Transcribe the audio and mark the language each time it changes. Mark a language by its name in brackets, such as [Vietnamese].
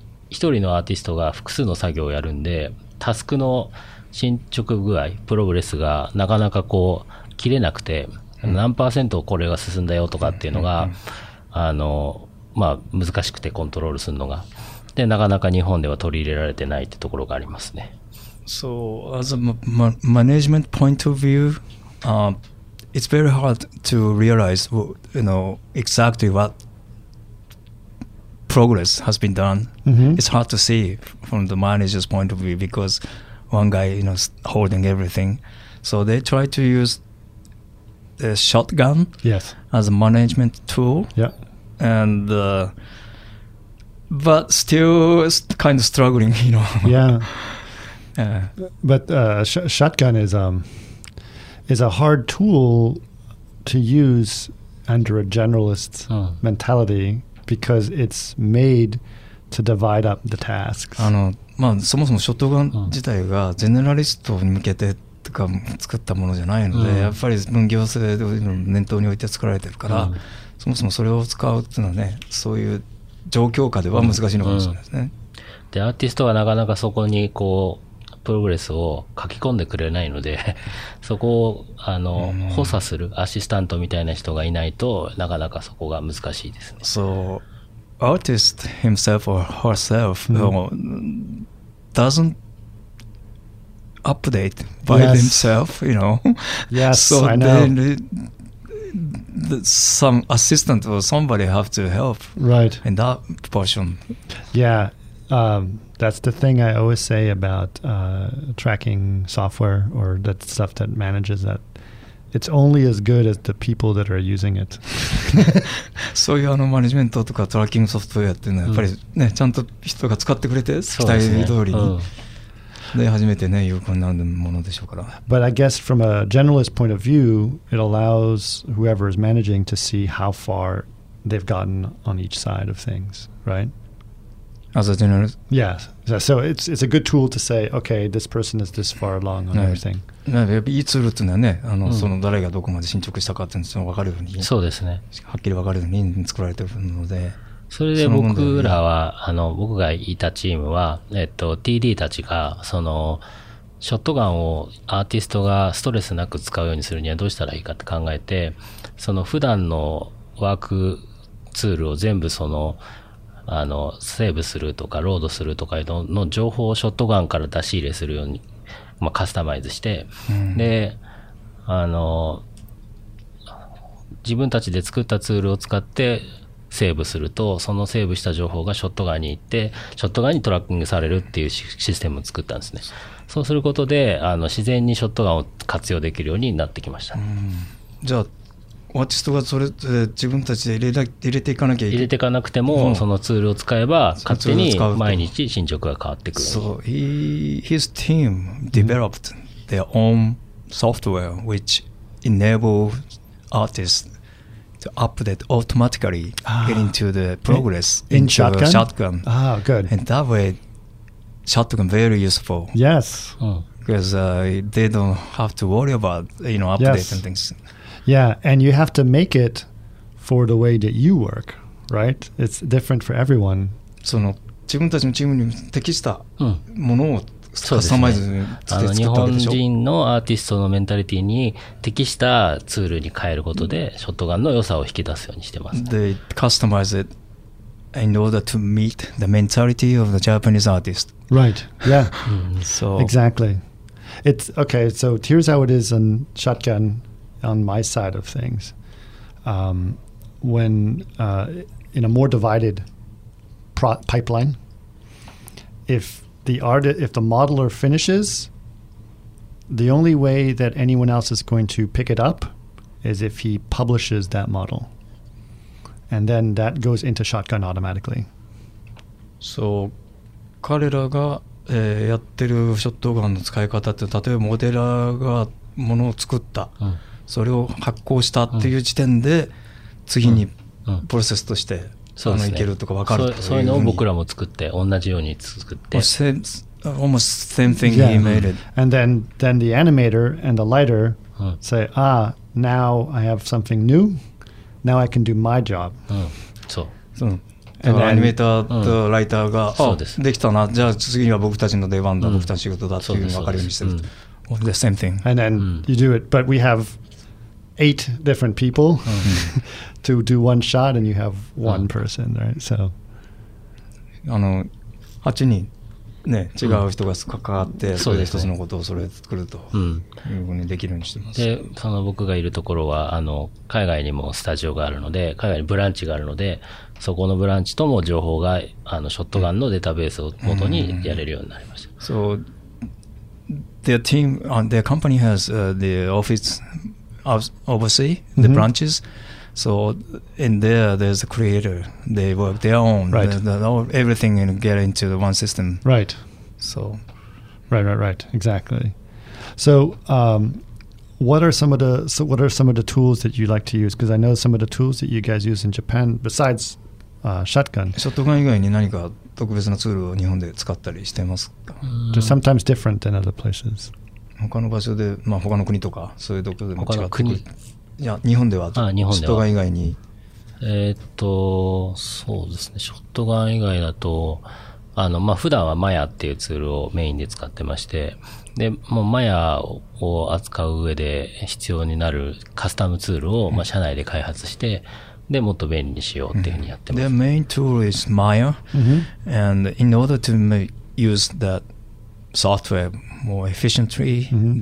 [Japanese] 一人のアーティストが複数の作業をやるんで、タスクの進捗具合プログレスがなかなかこう切れなくて、うん、何パーセントこれが進んだよとかっていうのが、うんうんうん、あのまあ難しくてコントロールするのが、でなかなか日本では取り入れられてないってところがありますね。 [English] So as a management point of view, it's very hard to realize, you know, exactly what progress has been done.、 Mm-hmm. It's hard to see from the manager's point of view because one guy, you know, holding everything. So they try to use the shotgun、 yes. as a management tool. Yeah. And, but still kind of struggling, you know. Yeah. Yeah. But shotgun is a hard tool to use under a generalist、oh. mentality because it's made to divide up the tasks. [Japanese] あの、まあ、そもそもショットガン自体がジェネラリストに向けてとか作ったものじゃないので、oh. やっぱり分業制を念頭に置いて作られてるから、oh. そもそもそれを使うっていうのはね、そういう状況下では難しいのかもしれないですね、うんうん、でアーティストはなかなかそこにこうプログレスを書き込んでくれないのでそこをあの、うん、補佐するアシスタントみたいな人がいないとなかなかそこが難しいですね。 [English] So artist himself or herself、うん、doesn't update by、 themself, you know. Yes, so I know then, some assistant or somebody have to help right in that portion. Yeah, that's the thing I always say about tracking software or that stuff that manages that. It's only as good as the people that are using it. [Japanese] そういうあのマネジメントとかトラッキングソフトウェアっていうのはやっぱりね、うん、ちゃんと人が使ってくれて期待通りで初めてね有効になるものでしょうから。 [English] But I guess from a generalist point of view, it allows whoever is managing to see how far they've gotten on each side of things, right? As a generalist? Yes. So it's a good tool to say, okay, this person is this far along on everything. [Japanese] やっぱいいツールっていうのはね、あの、うん、その誰がどこまで進捗したかっていうのが分かるように、そうですね。はっきり分かるように作られてるので。それで僕らは、あの、僕がいたチームは、TD たちが、その、ショットガンをアーティストがストレスなく使うようにするにはどうしたらいいかって考えて、その普段のワークツールを全部その、あの、セーブするとかロードするとかの情報をショットガンから出し入れするように、まあカスタマイズして、うん、で、あの、自分たちで作ったツールを使って、セーブするとそのセーブした情報がショットガンに行ってショットガンにトラッキングされるっていうシステムを作ったんですね。そうすることであの自然にショットガンを活用できるようになってきました。うん、じゃあアーティストがそれで自分たちで入れていかなきゃいけない、入れていかなくても、うん、そのツールを使えば勝手に毎日進捗が変わってくる。そう、 [English] his team developed their own software which enables artiststo update automatically get into the progress in shotgun? Shotgun. Ah, good. And that way, shotgun very useful. Yes. Because、they don't have to worry about, you know, update、yes. and things. Yeah, and you have to make it for the way that you work, right? It's different for everyone. [Japanese] その自分たちのチームに適したものをカスタマイズで作ったわけでしょ。日本人のアーティストのメンタリティに適したツールに変えることでショットガンの良さを引き出すようにしてます、 [English] ね、They customize it in order to meet the mentality of the Japanese artist. Right, yeah. 、うん、 so. Exactly. It's okay, so here's how it is on shotgun on my side of things. When in a more divided pipeline, if the modeler finishes, the only way that anyone else is going to pick it up is if he publishes that model. And then that goes into Shotgun automatically. So, [Japanese] 彼らが、やってるショットガンの使い方って、例えばモデラーがものを作った、うん、それを発行したっていう時点で、うん、次にプロセスとして、うんね、いけるとか分かるというふうに。そういうのを僕らも作って、同じように作って。 [English] Almost same thing、yeah. he made it. And then the animator and the lighter、うん、say, ah, now I have something new. Now I can do my job.、うん、 [Japanese] そう。アニメーターとライターが、うん、あ、できたな。じゃあ次は僕たちの出番だ、うん、僕たちの仕事だっていうのを分かるようにしてる。 [English] うん、the same thing. And then、うん、you do it. But we have eight different people、うん、to do one shot and you have one、うん、person, right? So, [Japanese] 8人、ね、違う人が関わって、うん、それで一つのことをそれ作ると。うんできるようにしてます。で、その僕がいるところは、海外にもスタジオがあるので、海外にブランチがあるので、そこのブランチとも情報が、ショットガンのデータベースを元にやれるようになりました。 Mm-hmm. [English] So, their team, their company has, the office overseas, the、mm-hmm. branches. So, in there, there's a creator. They work their own. Right. Everything get into the one system. Right. So. Right, right, right. Exactly. So, what are some of the tools that you like to use? Because I know some of the tools that you guys use in Japan, besides Shotgun. [Japanese] Shotgun 以外に何か特別なツールを日本で使ったりしてますか? [English] They're sometimes different than other places. [Japanese] 他の場所で、まあ他の国とか、そういうところでも違ってくる。いや、日本では、 Shotgun 以外に。そうですね、Shotgun 以外だと、まあ普段は Maya っていうツールをメインで使ってまして、で、もうマヤを扱う上で必要になるカスタムツールを、まあ、社内で開発して、で、もっと便利にしようっていうふうにやってます。 [English] The main tool is Maya.、Mm-hmm. And in order to use that software more efficiently,、mm-hmm.